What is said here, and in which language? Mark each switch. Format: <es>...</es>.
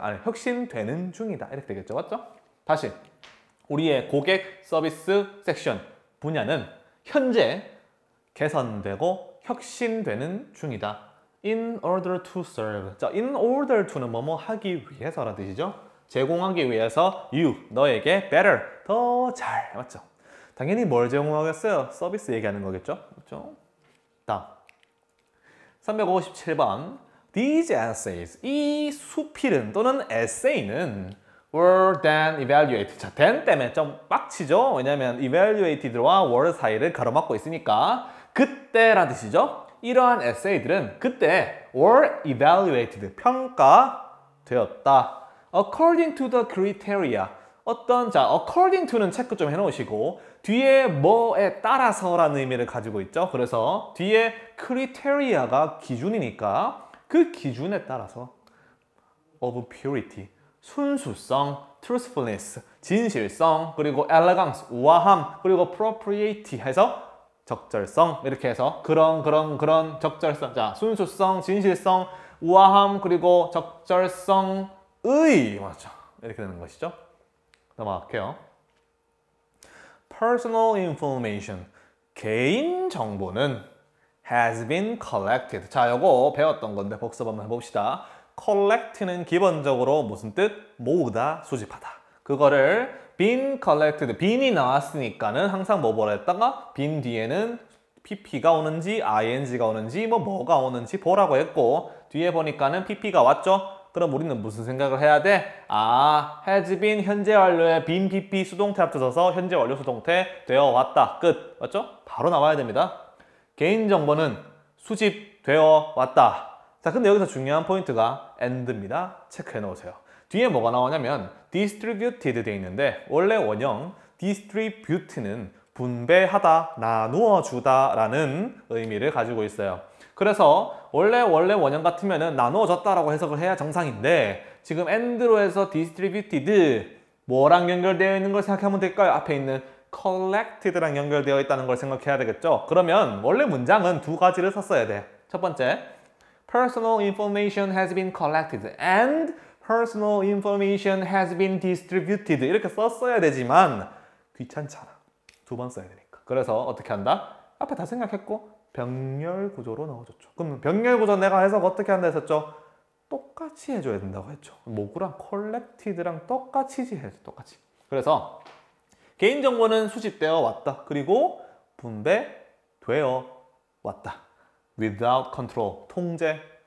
<ko>아니, 혁신되는 중이다. 이렇게 되겠죠, 맞죠? 다시 우리의 고객 서비스 섹션 분야는 현재 개선되고 혁신되는 중이다.</ko> <en>In order to serve.</en> <ko>자,</ko> <en>in order to</en> <ko>는 뭐뭐 하기 위해서라는 뜻이죠. 제공하기 위해서 you, 너에게 better, 더 잘, 맞죠? 당연히 뭘 제공하겠어요? 서비스 얘기하는 거겠죠, 맞죠? 다음.</ko> <en>357번 These essays,</en> <ko>이 수필은 또는 essay는</ko> <en>were then evaluated.</en> <ko>자, then 때문에 좀 빡치죠? 왜냐면 evaluated와 were 사이를 가로막고 있으니까 그때란 뜻이죠? 이러한 essay들은 그때 were evaluated, 평가되었다.</ko> <en>According to the criteria,</en> <ko>어떤 자 according to는 체크 좀 해놓으시고 뒤에 뭐에 따라서라는 의미를 가지고 있죠. 그래서 뒤에 criteria가 기준이니까 그 기준에 따라서 of purity, 순수성, truthfulness, 진실성, 그리고 elegance, 우아함, 그리고 propriety 해서 적절성 이렇게 해서 그런 적절성, 자 순수성, 진실성, 우아함, 그리고 적절성의 맞죠. 이렇게 되는 것이죠. 넘어갈게요.</ko> <en>Personal information,</en> <ko>개인정보는</ko> <en>has been collected.</en> <ko>자, 이거 배웠던 건데 복습 한번 해봅시다. collect는 기본적으로 무슨 뜻? 모으다, 수집하다. 그거를 been collected, been이 나왔으니까는 항상 뭐 보라 했다가 been 뒤에는 pp가 오는지 ing가 오는지 뭐 뭐가 오는지 보라고 했고 뒤에 보니까는 pp가 왔죠. 그럼 우리는 무슨 생각을 해야 돼? 아, has been 현재 완료에 been pp 수동태 합쳐져서 현재 완료 수동태 되어 왔다. 끝. 맞죠? 바로 나와야 됩니다. 개인정보는 수집되어 왔다. 자, 근데 여기서 중요한 포인트가 and입니다. 체크해 놓으세요. 뒤에 뭐가 나오냐면 distributed 돼 있는데 원래 원형 distribute는 분배하다, 나누어 주다 라는 의미를 가지고 있어요. 그래서 원래 원형 같으면은 나누어졌다라고 해석을 해야 정상인데 지금 end로 해서 distributed 뭐랑 연결되어 있는 걸 생각하면 될까요? 앞에 있는 collected랑 연결되어 있다는 걸 생각해야 되겠죠? 그러면 원래 문장은 두 가지를 썼어야 돼. 첫 번째,</ko> <en>personal information has been collected and personal information has been distributed</en> <ko>이렇게 썼어야 되지만 귀찮잖아. 두 번 써야 되니까. 그래서 어떻게 한다? 앞에 다 생각했고 병렬 구조로 넣어줬죠. 그럼 병렬 구조 내가 해석 어떻게 한다 했었죠? 똑같이 해줘야 된다고 했죠. 모구랑 collected랑 똑같이지 해야죠. 똑같이. 그래서 개인정보는 수집되어 왔다. 그리고 분배되어 왔다.</ko> <en>Without control.</en> <ko>통제</ko>